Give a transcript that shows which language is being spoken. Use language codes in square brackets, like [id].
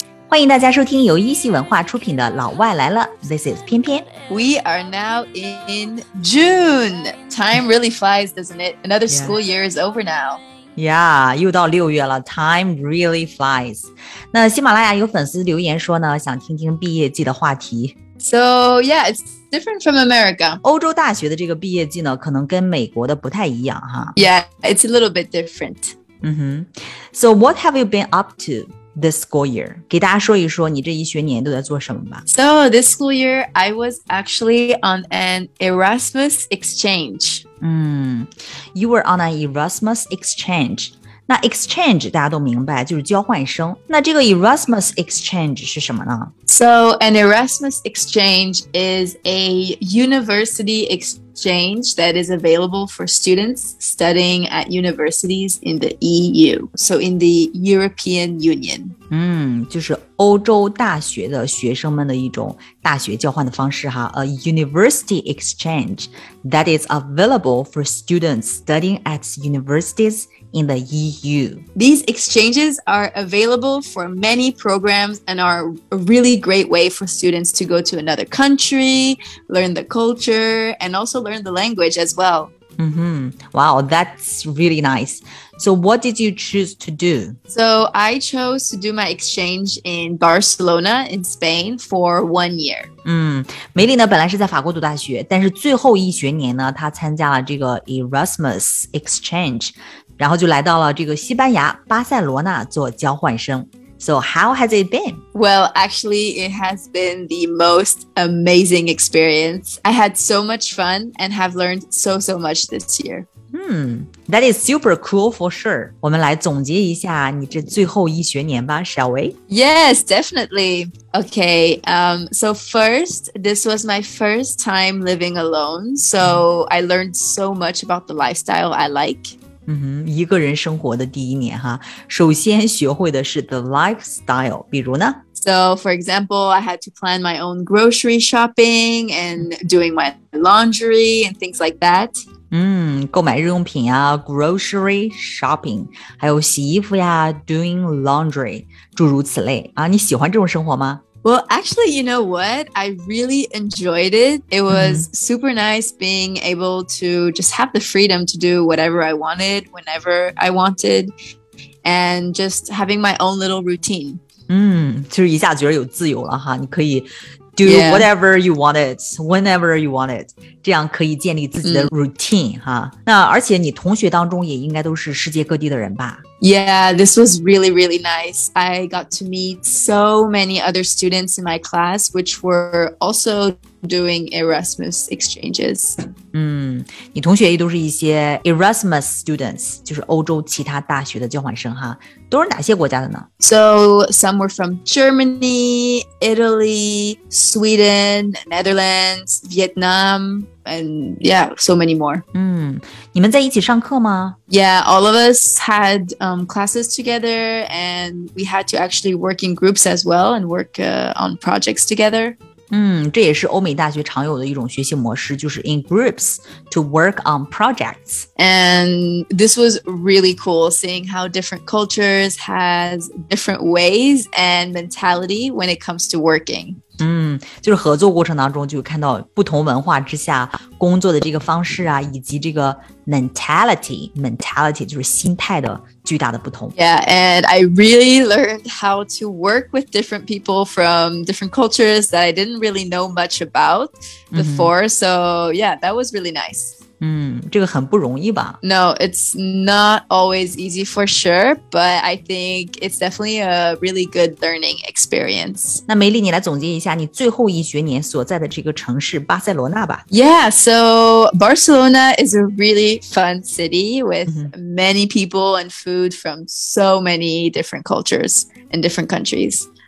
[zh] 欢迎大家收听由一席文化出品的老外来了。 [en] This is 翩翩。 We are now in June. Time really flies, doesn't it? Another school year is over now. Yeah, [zh] 又到六月了 [en] time really flies. [zh] 那喜马拉雅有粉丝留言说呢想听听毕业季的话题。 [en] So yeah, it's different from America. [zh] 欧洲大学的这个毕业季呢可能跟美国的不太一样哈。 [en] Yeah, it's a little bit different. Mm-hmm. So what have you been up to this school year? [zh] 给大家说一说你这一学年都在做什么吧。 [en] So this school year, I was actually on an Erasmus exchange. You were on an Erasmus exchange. [zh] 那 exchange 大家都明白就是交换生。那这个 Erasmus exchange 是什么呢？ [en] So an Erasmus exchange is a university exchange that is available for students studying at universities in the EU. So in the European Union. [zh] 就是欧洲大学的学生们的一种大学交换的方式哈。 [en] A university exchange that is available for students studying at universities in the EU. These exchanges are available for many programs and are a really great way for students to go to another country, learn the culture, and also learn the language as well. Mm-hmm. Wow, that's really nice. So what did you choose to do? So I chose to do my exchange in Barcelona in Spain for 1 year. [zh] 梅丽呢本来是在法国读大学但是最后一学年呢她参加了这个 Erasmus exchange, 然后就来到了这个西班牙巴塞罗那做交换生。 [en] So how has it been? Well, actually, it has been the most amazing experience. I had so much fun and have learned so, so much this year. That is super cool for sure. [zh] 我们来总结一下你这最后一学年吧 [en] shall we? Yes, definitely. Okay, so first, this was my first time living alone. So I learned so much about the lifestyle I like. [zh] 一个人生活的第一年哈首先学会的是 the lifestyle, 比如呢 [en] So, for example, I had to plan my own grocery shopping and doing my laundry and things like that. [zh] 购买日用品啊 [en] grocery shopping, [zh] 还有洗衣服呀 [en] doing laundry, [zh] 诸如此类啊你喜欢这种生活吗 [en] Well, actually, you know what? I really enjoyed it. It was super nice being able to just have the freedom to do whatever I wanted, whenever I wanted, and just having my own little routine. [zh] 就是一下觉得有自由了哈，你可以 [en] do whatever you wanted, whenever you wanted. [zh] 这样可以建立自己的 routine 哈。那而且你同学当中也应该都是世界各地的人吧。 [en] Yeah, this was really, really nice. I got to meet so many other students in my class, which were also doing Erasmus exchanges. [zh] 你同学也都是一些 Erasmus students, 就是欧洲其他大学的交换生哈。都是哪些国家的呢? [en] So, some were from Germany, Italy, Sweden, Netherlands, Vietnam... And yeah, so many more. [zh] 你们在一起上课吗? [en] Yeah, all of us had classes together and we had to actually work in groups as well and work on projects together. [zh] 这也是欧美大学常有的一种学习模式就是 [en] in groups to work on projects. And this was really cool seeing how different cultures has different ways and mentality when it comes to working. [zh] 就是合作过程当中就看到不同文化之下工作的这个方式啊以及这个 mentality 就是心态的巨大的不同 [en] Yeah, and I really learned how to work with different people from different cultures that I didn't really know much about before So yeah, that was really nice [zh] 这个很不容易吧 [en] No, it's not always easy for sure, but I think it's definitely a really good learning experience. [zh] 那梅丽，你来总结一下你最后一学年所在的这个城市巴塞罗那吧。 [en] Yeah, so Barcelona is a really fun city with many people and food from so many different cultures and different countries.